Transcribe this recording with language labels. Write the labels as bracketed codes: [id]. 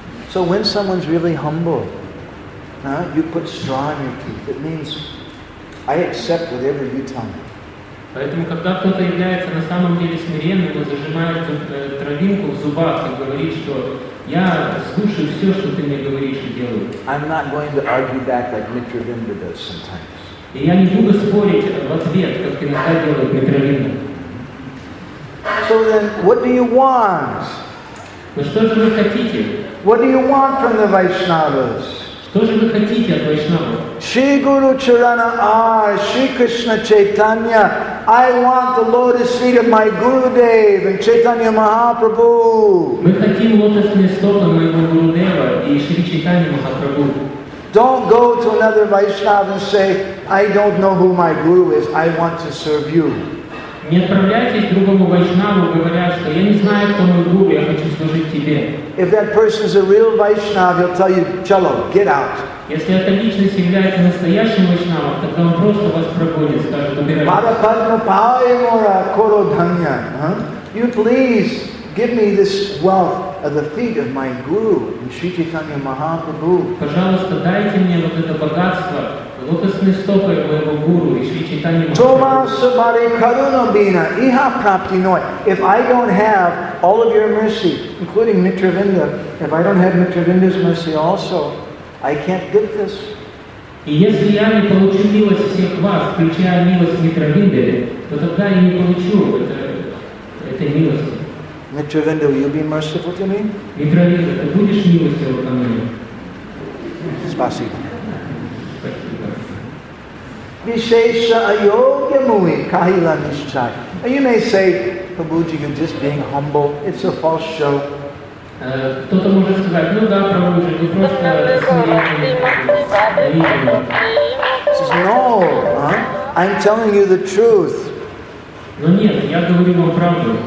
[en] So when someone's really humble, you put straw in your teeth. It means, I accept whatever you tell me. [ru] Поэтому когда кто-то является на самом деле смиренным, он зажимает травинку в зубах и говорит, что я слушаю все, что ты мне говоришь и делаю. И я не буду спорить в ответ, как иногда делает Митравинда. [en] So then, what do you want? [ru] Ну что же вы хотите? [en] What do you want from the Vaishnavas? [ru] Что же вы хотите от Вайшнава? [bn] Shri Guru Charana Ar, Shri Krishna Chaitanya, [en] I want the lotus feet of my Gurudev and Chaitanya Mahaprabhu. [ru] Мы хотим лотосные стопы моего Гурудева и Шри Чайтанья Махапрабху. [en] Don't go to another Vaishnava and say, I don't know who my Guru is, I want to serve you. [ru] Не отправляйтесь к другому Вайшнаву, говоря, что я не знаю, кто мой Гуру, я хочу служить тебе. [en] If that person is a real Vaishnava, he'll tell you, Chalo, get out. [ru] Если эта личность является настоящим Вайшнавом, тогда он просто вас прогонит, скажет, убирайте. [bn] Пара Падма Паймура Коро Данья. [en] You please give me this wealth at the feet of my Guru, Shri Chaitanya Mahaprabhu. [ru] Пожалуйста, дайте мне вот это богатство, лотосные стопы моего Гуру и Шри Чайтанья Махапрабху. [bn] Тома Сабари Каруна Бина, Иха Прапти Ной. [en] If I don't have all of your mercy, including Митравинда, if I don't have Митравинда's mercy also, I can't get this. [ru] И если я не получу милость всех вас, включая милость Митравинды, то тогда я не получу этой милости. [en] Митравинда, will you be merciful to me? [ru] Митравинда, ты будешь милостивым ко мне? Спасибо. [bn] Vishesha ayogya mui kahila nishchai. [en] And you may say, Prabhuji, you're just being humble. It's a false show. [ru] Кто-то может сказать, ну да, Прабхуджи, ты просто смиренный. [en] No, I'm telling you the truth. [ru] Но нет, я говорю вам правду.